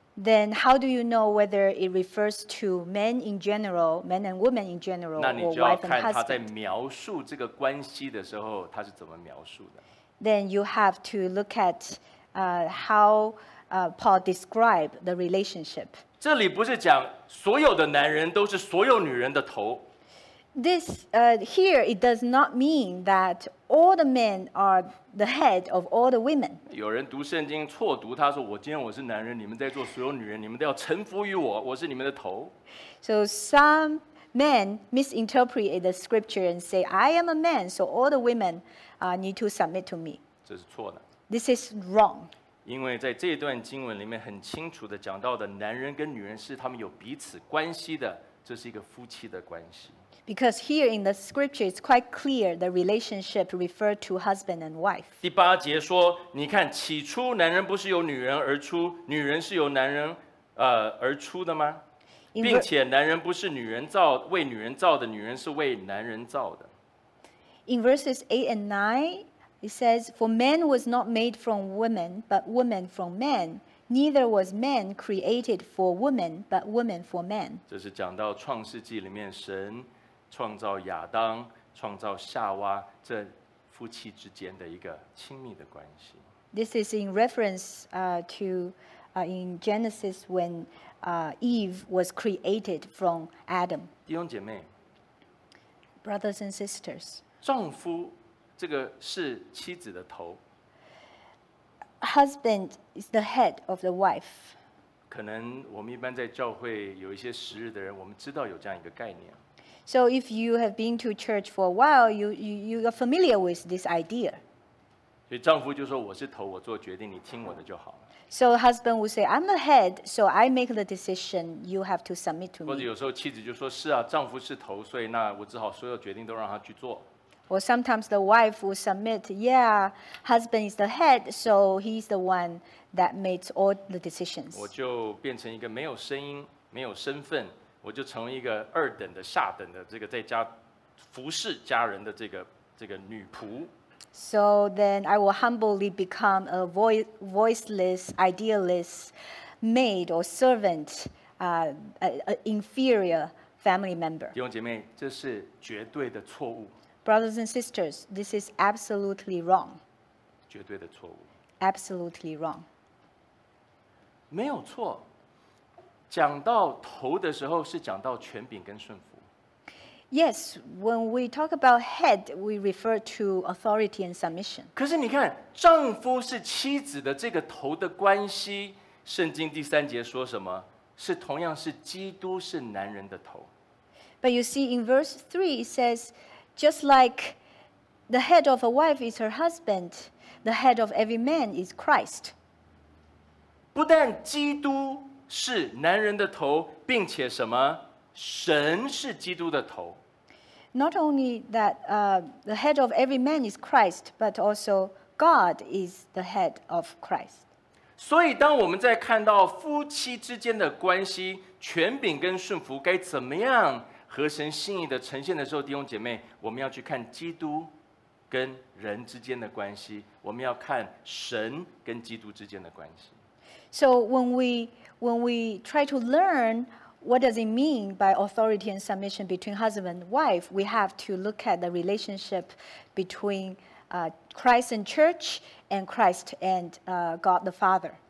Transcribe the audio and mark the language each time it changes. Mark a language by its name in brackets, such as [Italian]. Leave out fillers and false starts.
[English] Then how do you know whether it refers to men in general, men and women in general, or wife and husband? [Chinese] 那你就要看他在描述这个关系的时候，他是怎么描述的。 [English] Then you have to look at how Paul described the relationship. [Chinese] 这里不是讲所有的男人都是所有女人的头。 [English] This here, it does not mean that all the men are the head of all the women. [Chinese] 有人读圣经错读，他说：“我今天我是男人，你们在做所有女人，你们都要臣服于我，我是你们的头。” [English] So some men misinterpret the scripture and say, "I am a man, so all the women need to submit to me." [Chinese] 这是错的。 [English] This is wrong. [Chinese] 因为在这段经文里面很清楚的讲到的，男人跟女人是他们有彼此关系的，这是一个夫妻的关系。 [English] Because here in the scripture, it's quite clear the relationship referred to husband and wife. [Chinese] 第八节说，你看，起初男人不是由女人而出，女人是由男人而出的吗？并且男人不是女人造，为女人造的，女人是为男人造的。 [English] In verses 8 and 9, it says, For man was not made from woman, but woman from man. Neither was man created for woman, but woman for man. [Chinese] 这是讲到创世纪里面神创造亚当、创造夏娃这夫妻之间的一个亲密的关系。 [English] This is in reference in Genesis when Eve was created from Adam. [Chinese] 弟兄姐妹 [English] Brothers and sisters. [Chinese] 丈夫这个是妻子的头。 [English] Husband is the head of the wife. [Chinese] 可能我们一般在教会有一些时日的人，我们知道有这样一个概念。 [English] So if you have been to church for a while, you are familiar with this idea. [Chinese] 所以丈夫就说我是头，我做决定，你听我的就好了。 [English] So husband would say, I'm the head, so I make the decision, you have to submit to me. [Chinese] 或者有时候妻子就说是啊，丈夫是头，所以那我只好所有决定都让他去做。 [English] Or sometimes the wife will submit, yeah, husband is the head, so he's the one that makes all the decisions. [Chinese] 我就变成一个没有声音，没有身份。我就成为一个二等的、下等的这个在家服侍家人的这个女仆。 [English] So then I will humbly become a voiceless, idealless maid or servant, an inferior family member. [Chinese] 弟兄姐妹，这是绝对的错误。 [English] Brothers and sisters, this is absolutely wrong. [Chinese] 绝对的错误。 [English] Absolutely wrong. [Chinese] 没有错。讲到头的时候是讲到权柄跟顺服。 [English] Yes, when we talk about head, we refer to authority and submission. [Chinese] 可是你看，丈夫是妻子的这个头的关系，圣经第三节说什么？是同样是基督是男人的头。 [English] But you see, in verse 3, it says, just like the head of a wife is her husband, the head of every man is Christ. [Chinese] 不但基督是男人的头，并且什么？神是基督的头。 [English] Not only that, the head of every man is Christ, but also God is the head of Christ. [Chinese] 所以，当我们在看到夫妻之间的关系、权柄跟顺服该怎么样合神心意的呈现的时候，弟兄姐妹，我们要去看基督跟人之间的关系，我们要看神跟基督之间的关系。 [English] So when we try to learn what does it mean by authority and submission between husband and wife, we have to look at the relationship between Christ and church and Christ and God the Father.